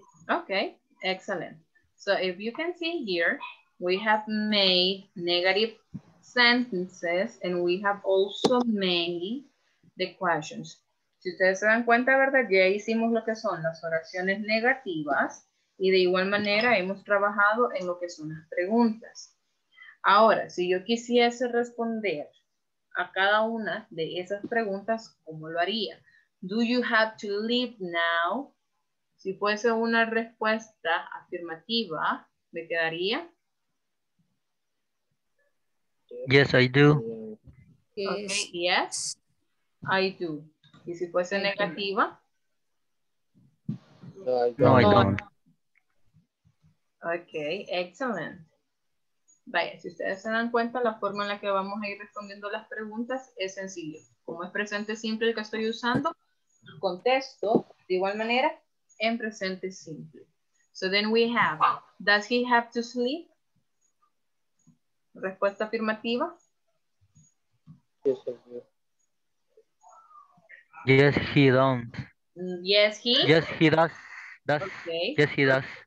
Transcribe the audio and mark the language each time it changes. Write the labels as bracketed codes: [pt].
[en] Okay, excellent. So if you can see here, we have made negative sentences and we have also made the questions. [es] Si ustedes se dan cuenta, ¿verdad? Ya hicimos lo que son las oraciones negativas y de igual manera hemos trabajado en lo que son las preguntas. Ahora, si yo quisiese responder a cada una de esas preguntas, ¿cómo lo haría? [en] Do you have to leave now? [es] Si fuese una respuesta afirmativa, ¿me quedaría? [en] Yes, I do. Okay, yes, I do. [es] ¿Y si fuese negativa? [en] No, I don't. Ok, excellent. [es] Vaya, si ustedes se dan cuenta, la forma en la que vamos a ir respondiendo las preguntas es sencillo. Como es presente simple el que estoy usando, contesto de igual manera en presente simple. [en] So then we have, does he have to sleep? [es] Respuesta afirmativa. [en] Yes, I do. Yes, he don't. Yes, he? Yes, he does. Does. Okay. Yes, he does.